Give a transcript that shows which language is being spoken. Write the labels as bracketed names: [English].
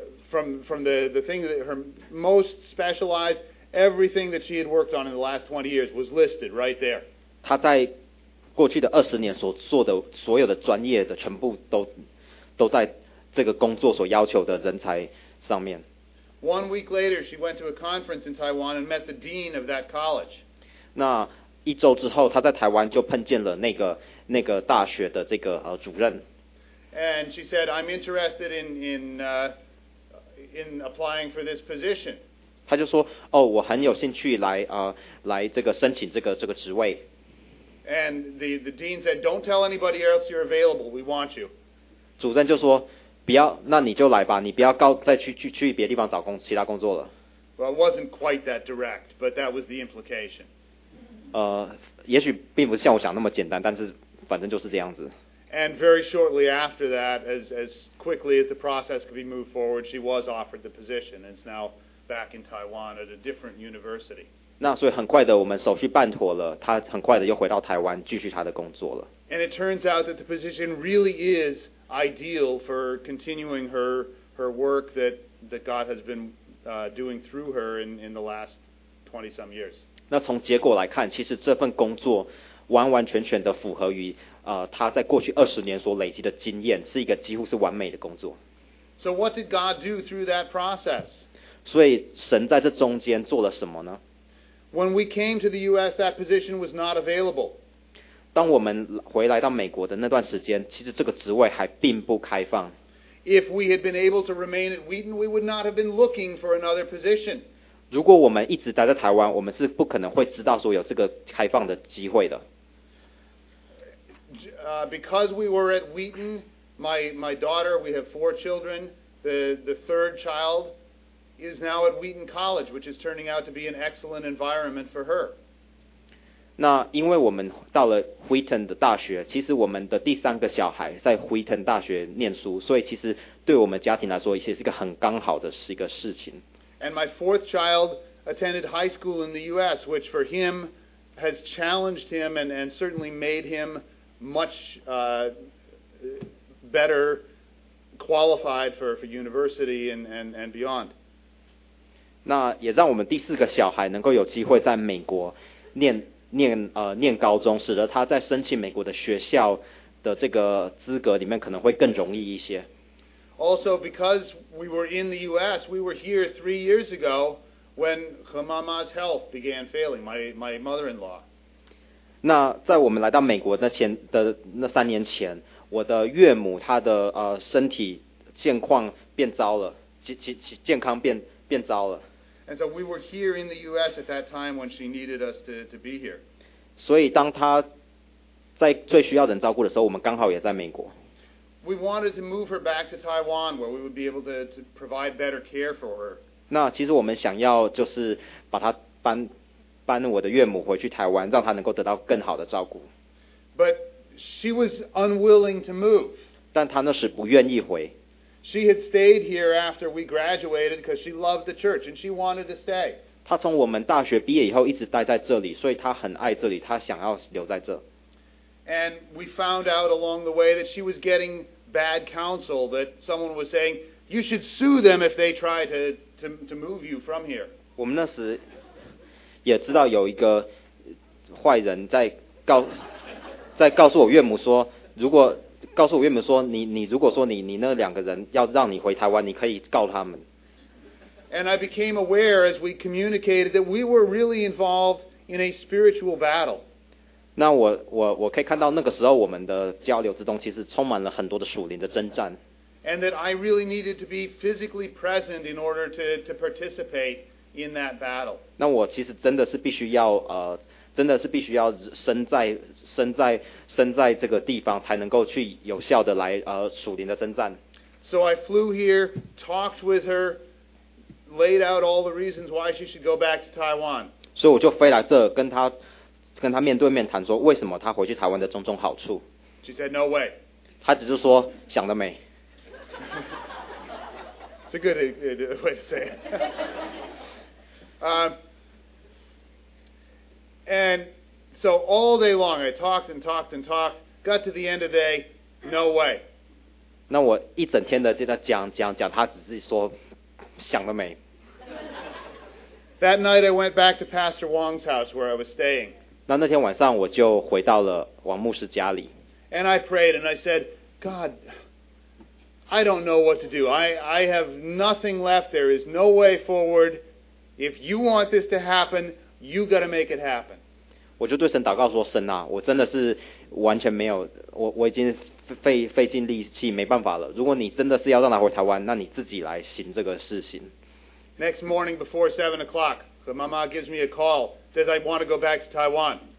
[English] From the thing that her most specialized, everything that she had worked on in the last 20 years was listed right there. [Chinese] 她在过去的20年所做的所有的专业的全部都在这个工作所要求的人才上面。 [English] 1 week later, she went to a conference in Taiwan and met the dean of that college. [Chinese] 那一周之后，她在台湾就碰见了那个大学的这个主任。 [English] And she said, "I'm interested in applying for this position." [Chinese] 他就说，我很有兴趣来这个申请这个职位。 [English] And the dean said, "Don't tell anybody else you're available. We want you." [Chinese] 主任就说，不要，那你就来吧，你不要告再去别地方找工其他工作了。 [English] Well, it wasn't quite that direct, but that was the implication. [Chinese] 也许并不是像我想那么简单，但是反正就是这样子。 [English] And very shortly after that, as quickly as the process could be moved forward, she was offered the position and is now back in Taiwan at a different university. [Chinese] 那所以很快的，我们手续办妥了，她很快的又回到台湾继续她的工作了。 [English] And it turns out that the position really is ideal for continuing her work that God has been doing through her in the last 20 some years. [Chinese] 那从结果来看，其实这份工作完完全全的符合于他在过去20年所累积的经验，是一个几乎是完美的工作。 [English] So what did God do through that process? [Chinese] 所以神在这中间做了什么呢 [English] ？When we came to the U.S., that position was not available. [Chinese] 当我们回来到美国的那段时间，其实这个职位还并不开放。 [English] If we had been able to remain at Wheaton, we would not have been looking for another position. [Chinese] 如果我们一直待在台湾，我们是不可能会知道说有这个开放的机会的。 [English] Because we were at Wheaton, my daughter, we have 4 children. The third child is now at Wheaton College, which is turning out to be an excellent environment for her. [Chinese] 那因为我们到了 Wheaton 的大学，其实我们的第三个小孩在 Wheaton 大学念书，所以其实对我们家庭来说，也是一个很刚好的是一个事情。 [English] And my fourth child attended high school in the U.S., which for him has challenged him and certainly made him. Much better qualified for university and beyond. [Chinese] 那也让我们第四个小孩能够有机会在美国念高中，使得他在申请美国的学校的这个资格里面可能会更容易一些。 [English] Also, because we were in the U.S., we were here 3 years ago when Hamama's health began failing. My mother-in-law. [Chinese] 那在我们来到美国那3年前，我的岳母她的身体健况变糟了，健康变糟了。 [English] And so we were here in the U.S. at that time when she needed us to be here. [Chinese] 所以当她在最需要人照顾的时候，我们刚好也在美国。 [English] We wanted to move her back to Taiwan where we would be able to provide better care for her. [Chinese] 那其实我们想要就是把她搬我的岳母回去台湾，让她能够得到更好的照顾。 [English] But she was unwilling to move. [Chinese] 但她那时不愿意回。 [English] She had stayed here after we graduated because she loved the church and she wanted to stay. [Chinese] 她从我们大学毕业以后一直待在这里，所以她很爱这里，她想要留在这。 [English] And we found out along the way that she was getting bad counsel, that someone was saying, you should sue them if they try to move you from here. [Chinese] 我们那时也知道有一个坏人在告诉我岳母说，如果告诉我岳母说你如果说你那两个人要让你回台湾，你可以告他们。 [English] And I became aware as we communicated that we were really involved in a spiritual battle. [Chinese] 那我可以看到那个时候我们的交流之中其实充满了很多的属灵的征战。 [English] And that I really needed to be physically present in order to participate in that battle. [Chinese] 那我其实真的是必须要真的是必须要身在这个地方才能够去有效的来属灵的征战。 [English] So I flew here, talked with her, laid out all the reasons why she should go back to Taiwan. [Chinese] 所以我就飞来这跟她面对面谈说为什么她回去台湾的种种好处。 [English] She said no way. [Chinese] 她只是说想得美。 [English] It's a good way to say it. And so all day long, I talked and talked and talked. Got to the end of the day, no way. [Chinese] 那我一整天的就在讲，他只是说想得美。 [English] That night, I went back to Pastor Wong's house where I was staying. [Chinese] 那天晚上我就回到了王牧师家里。 [English] And I prayed and I said, God, I don't know what to do. I have nothing left. There is no way forward. If you want this to happen, you got to make it happen. [Chinese] 我就对神祷告说：“神啊，我真的是完全没有，我已经费尽力气，没办法了。如果你真的是要让他回台湾，那你自己来行这个事情。” [English] Next morning before 7 o'clock, her mama gives me a call, says I want to go back to Taiwan.